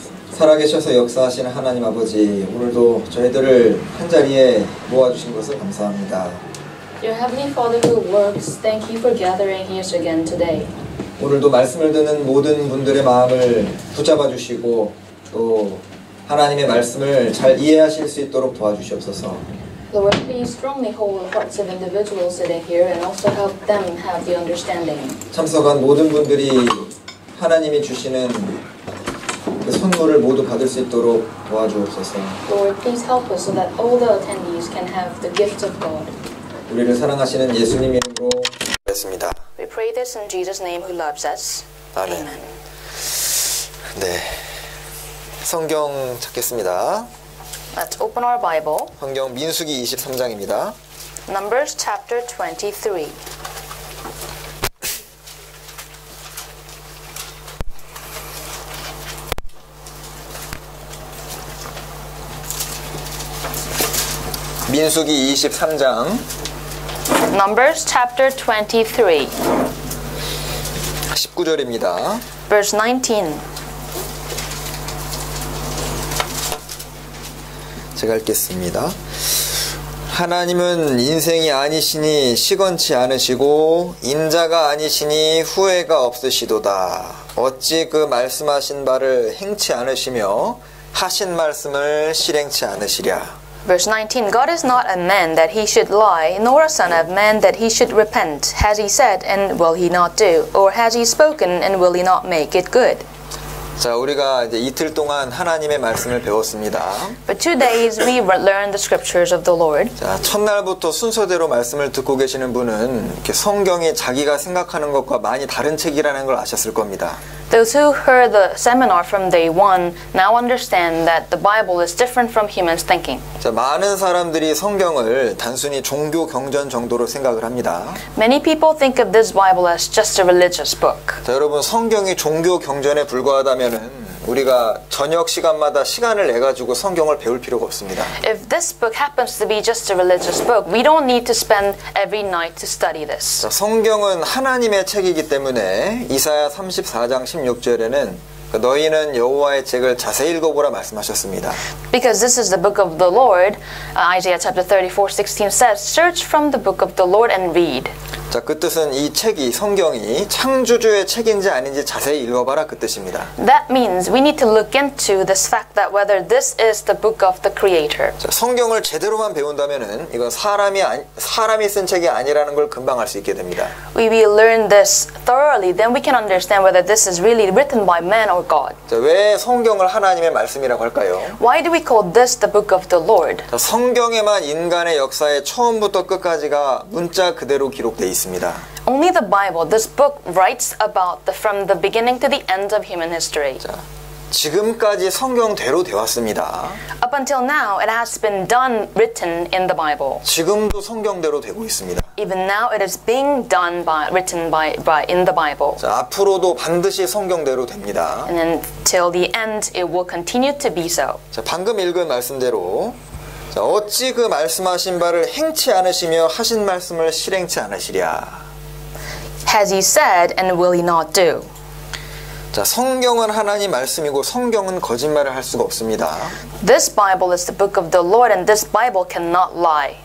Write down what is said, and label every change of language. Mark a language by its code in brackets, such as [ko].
[ko] 살아계셔서 역사하시는 하나님 아버지, 오늘도 저희들을 한 자리에 모아주신 것을 감사합니다. [en] Your Heavenly Father who works, thank you for gathering us again today. [ko] 오늘도 말씀을 듣는 모든 분들의 마음을 붙잡아 주시고 또 하나님의 말씀을 잘 이해하실 수 있도록 도와주시옵소서. [en] Lord, please strongly hold the hearts of individuals sitting here and also help them have the understanding. [ko] 참석한 모든 분들이 하나님이 주시는 그 선물을 모두 받을 수 있도록 도와주옵소서. [en] Lord, please help us so that all the attendees can have the gift of God. [ko] 우리를 사랑하시는 예수님 이름으로 기도했습니다. [en] We pray this in Jesus' name who loves us. [ko] 아멘. 네. 성경 찾겠습니다. [en] Let's open our Bible. [ko] 성경 민수기 23장입니다. [en] Numbers chapter 23. [ko] 민수기 23장. [en] Numbers chapter 23. [ko] 19절입니다. [en] Verse 19. [ko] 제가 읽겠습니다. 하나님은 인생이 아니시니 시건치 않으시고 인자가 아니시니 후회가 없으시도다. 어찌 그 말씀하신 바를 행치 않으시며 하신 말씀을 실행치 않으시랴. [en] Verse 19. God is not a man that he should lie, nor a son of man that he should repent. Has he said and will he not do? Or has he spoken and will he not make it good? [ko] 자, 우리가 이제 이틀 동안 하나님의 말씀을 배웠습니다. [en] But two days we learned the scriptures of the Lord. [ko] 자, 첫날부터 순서대로 말씀을 듣고 계시는 분은 이렇게 성경이 자기가 생각하는 것과 많이 다른 책이라는 걸 아셨을 겁니다. [en] Those who heard the seminar from day one now understand that the Bible is different from humans' thinking. [ko] 자, 많은 사람들이 성경을 단순히 종교 경전 정도로 생각을 합니다. [en] Many people think of this Bible as just a religious book. [ko] 자, 여러분, 성경이 종교 경전에 불과하다면은 우리가 저녁 시간마다 시간을 내 가지고 성경을 배울 필요가 없습니다. [en] If this book happens to be just a religious book, we don't need to spend every night to study this. [ko] 자, 성경은 하나님의 책이기 때문에 이사야 34장 16절에는 너희는 여호와의 책을 자세히 읽어보라 말씀하셨습니다. [en] Because this is the book of the Lord, Isaiah chapter 34:16 says, "Search from the book of the Lord and read." [ko] 자, 그 뜻은 이 책이 성경이 창조주의 책인지 아닌지 자세히 읽어봐라 그 뜻입니다. [en] That means we need to look into this fact that whether this is the book of the Creator. [ko] 자, 성경을 제대로만 배운다면은 이건 사람이 쓴 책이 아니라는 걸 금방 알 수 있게 됩니다. [en] We learn this thoroughly, then we can understand whether this is really written by man. Or God. [ko] 자, 왜 성경을 하나님의 말씀이라고 할까요? [en] Why do we call this the book of the Lord? [ko] 자, 성경에만 인간의 역사의 처음부터 끝까지가 문자 그대로 기록되어 있습니다. [en] Only the Bible, this book writes about the from the beginning to the end of human history. [ko] 자, 지금까지 성경대로 되었습니다. [en] Up until now, it has been done written in the Bible. [ko] 지금도 성경대로 되고 있습니다. [en] Even now, it is being done by, written by in the Bible. [ko] 자, 앞으로도 반드시 성경대로 됩니다. [en] And until the end, it will continue to be so. [ko] 자, 방금 읽은 말씀대로 자, 어찌 그 말씀하신 바를 행치 않으시며 하신 말씀을 실행치 않으시랴. [en] Has he said and will he not do? [ko] 자, 성경은 하나님 말씀이고 성경은 거짓말을 할 수가 없습니다. [en] This Bible is the book of the Lord and this Bible cannot lie.